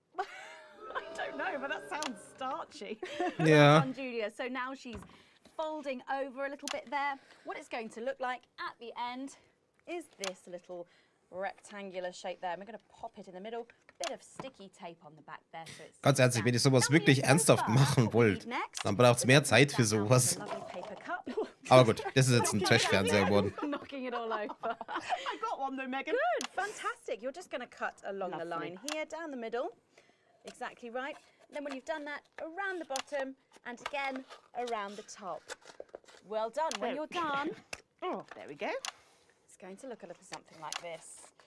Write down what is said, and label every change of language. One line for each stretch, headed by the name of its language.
English: I don't know, but that sounds starchy. Yeah. On Julia. So now she's folding over a little bit there. What it's going to look like at the end is this little... rectangular shape there. We're going to pop it in the middle. Bit of sticky tape on the back there. So it's
German: ganz ehrlich, wenn ihr sowas wirklich ernsthaft machen wollt, dann braucht es mehr Zeit für sowas. Aber gut, das ist jetzt ein Trash-Fernseher geworden.
English: Knocking it all over. I got one though, Megan. Good, fantastic. You're just going to cut along the line here, down the middle. Exactly right. Then when you've done that, around the bottom and again around the top. Well done. When you're done. Oh, there we go. Going to look a little something like this.